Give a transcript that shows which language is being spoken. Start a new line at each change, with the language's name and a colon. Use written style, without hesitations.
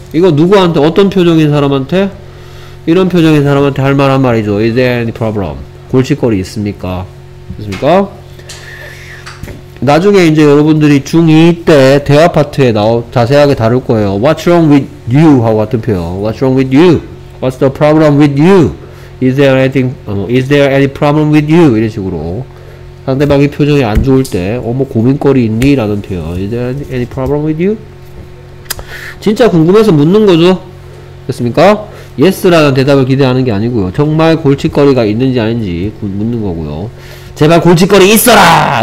Korean: 이거 누구한테 어떤 표정인 사람한테 이런 표정인 사람한테 할 만한 말이죠.
English: Is there any problem?
Korean: 골칫거리 있습니까? 됐습니까? 나중에 이제 여러분들이 중2 때 대화 파트에 자세하게 다룰 거예요.
English: What's wrong with you?
Korean: 하고 같은 표현.
English: What's wrong with you? What's the problem with you? Is there anything, is there any problem with you?
Korean: 이런 식으로. 상대방이 표정이 안 좋을 때, 뭐 고민거리 있니? 라는 표현.
English: Is there any problem with you?
Korean: 진짜 궁금해서 묻는 거죠. 됐습니까? Yes라는 대답을 기대하는 게 아니고요. 정말 골칫거리가 있는지 아닌지 묻는 거고요. 제발 골칫거리 있어라!